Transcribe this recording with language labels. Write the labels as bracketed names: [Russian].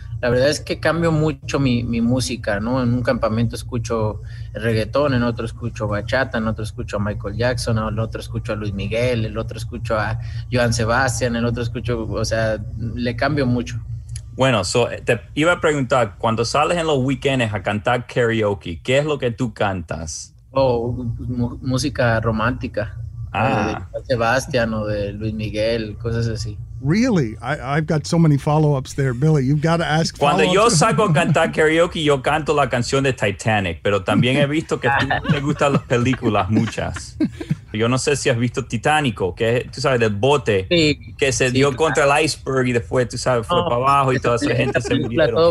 [Spanish] La verdad es que cambio mucho mi música, ¿no? En un campamento escucho reggaetón, en otro escucho bachata, en otro escucho a Michael Jackson, en otro escucho a Luis Miguel, en otro escucho a Joan Sebastián, en otro escucho, o sea, le cambio mucho. Bueno, so, te iba a preguntar, cuando sales en los weekends a cantar karaoke, ¿qué es lo que tú cantas? Oh, música romántica. Ah. De Sebastián o de Luis Miguel, cosas así. [English] Really? I've got so many follow-ups there, Billy. You've got to ask. [Spanish] Cuando yo salgo a cantar karaoke, yo canto la canción de Titanic, pero también he visto que tú te gustan las películas muchas. Yo no sé si has visto Titanic, que tú sabes, del bote que se dio contra el iceberg y después, tú sabes, fue para abajo y toda esa gente se murió.